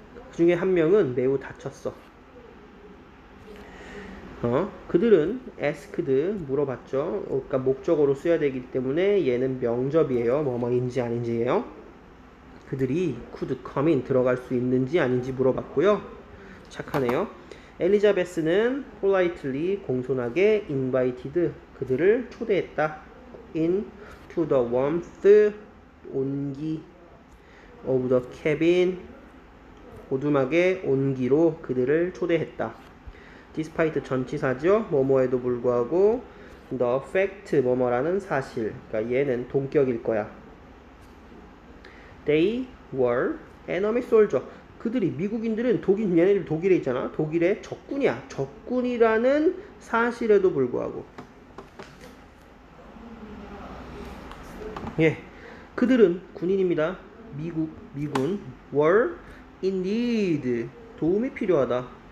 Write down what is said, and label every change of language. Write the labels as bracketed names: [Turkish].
[Korean] 그 중에 한 명은 매우 다쳤어. 그들은 asked, 물어봤죠. 그러니까 목적어로 써야 되기 때문에 얘는 명접이에요. 뭐뭐인지 아닌지예요. 그들이 [English] could come in, [Korean] 들어갈 수 있는지 아닌지 물어봤고요. 착하네요. 엘리자베스는 politely, 공손하게 invited, 그들을 초대했다. [English] into the warmth [Korean] 온기 [English] of the cabin [Korean] 오두막의 온기로 그들을 초대했다. despite 전치사죠. 뭐뭐에도 불구하고 [English] the fact [Korean] 뭐뭐라는 사실. 그러니까 얘는 동격일 거야. [English] they were enemy soldier. [Korean] 그들이 미국인들은 독일 얘네들 독일에 있잖아. 독일의 적군이야. 적군이라는 사실에도 불구하고 예. 그들은 군인입니다. 미국 미군 [English] were in need [Korean] 도움이 필요하다.